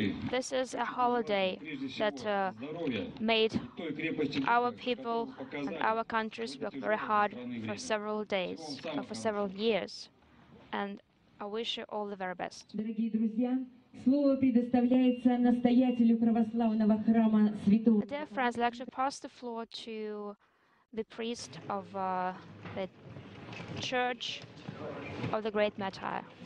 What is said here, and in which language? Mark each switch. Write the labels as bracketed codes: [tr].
[en] This is a holiday that made our people and our countries work very hard for several days, for several years. And I wish you all the very best. [ru] Слово предоставляется настоятелю православного храма Святого. [en] Dear friends, I'd like to pass the floor to the priest of the Church of the Great Martyr.